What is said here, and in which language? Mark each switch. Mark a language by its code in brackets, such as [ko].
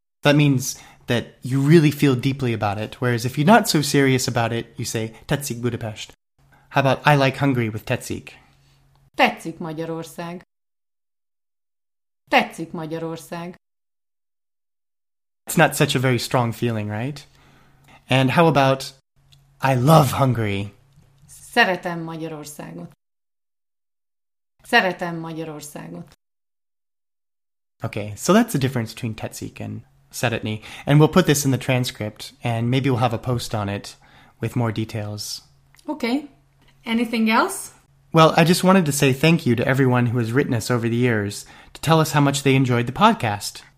[en] That means that you really feel deeply about it, whereas if you're not so serious about it, you say [hu] Tetszik Budapest. [en] How about I like Hungary with Tetszik? [hu] Tetszik Magyarország. Tetszik Magyarország. [en] It's not such a very strong feeling, right? And how about I love Hungary? [hu] Szeretem Magyarországot. Szeretem Magyarországot. [en] Okay, so that's the difference between Tetszik and Szeretni. And we'll put this in the transcript, and maybe we'll have a post on it with more details. Okay. Anything else? Well, I just wanted to say thank you to everyone who has written us over the years to tell us how much they enjoyed the podcast.